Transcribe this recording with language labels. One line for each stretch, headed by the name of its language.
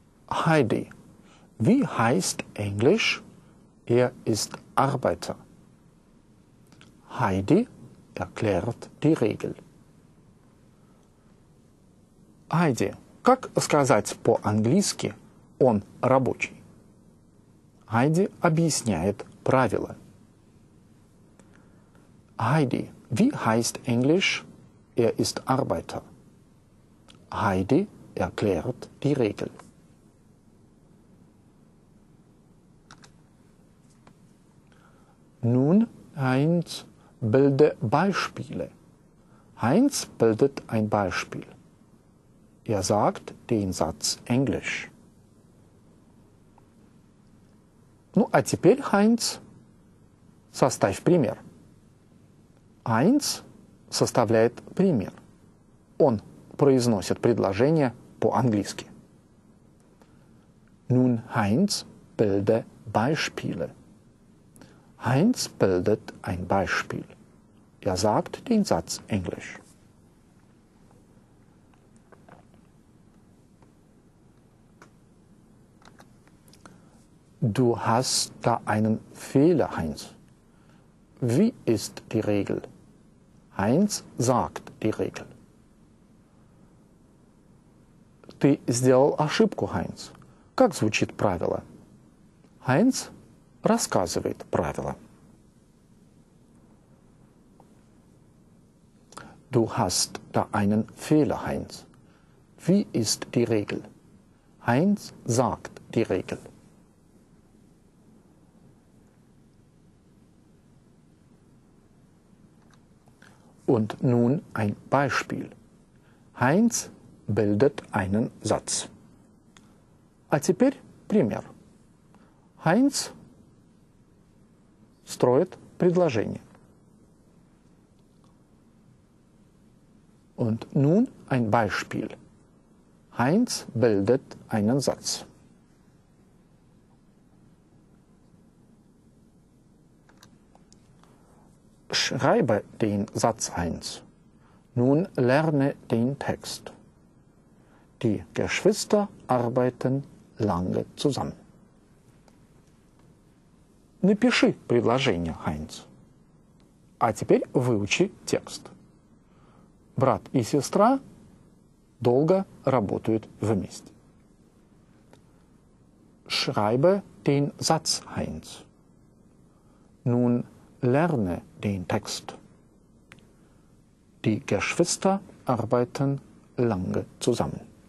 German: Heidi, wie heißt Englisch? Er ist Arbeiter. Heidi erklärt die Regel.
Russian: Heidi, как сказать по-английски «он рабочий»? Heidi объясняет правила.
German: Heidi, wie heißt Englisch «er ist Arbeiter»? Heidi erklärt die Regel. Nun, Heinz, bilde Beispiele. Heinz bildet ein Beispiel. Er sagt den Satz Englisch.
Russian: Ну, а теперь, Heinz, составь пример. Heinz составляет пример. Он произносит предложение по-английски.
German: Nun, Heinz, bilde Beispiele. Heinz bildet ein Beispiel. Er sagt den Satz Englisch. Du hast da einen Fehler, Heinz. Wie ist die Regel? Heinz sagt die Regel.
Russian: Ты сделал ошибку, Heinz. Как звучит правило? Heinz рассказывает правила.
German: Du hast da einen Fehler, Heinz. Wie ist die Regel? Heinz sagt die Regel. Und nun ein Beispiel. Heinz bildet einen Satz.
Russian: А теперь пример. Heinz строит предложение.
German: Und nun ein Beispiel. Heinz bildet einen Satz. Schreibe den Satz, Heinz. Nun lerne den Text. Die Geschwister arbeiten lange zusammen.
Russian: Напиши предложение, Heinz. А теперь выучи текст. Брат и сестра долго работают вместе.
German: Schreibe den Satz, Heinz. Nun lerne den Text. Die Geschwister arbeiten lange zusammen.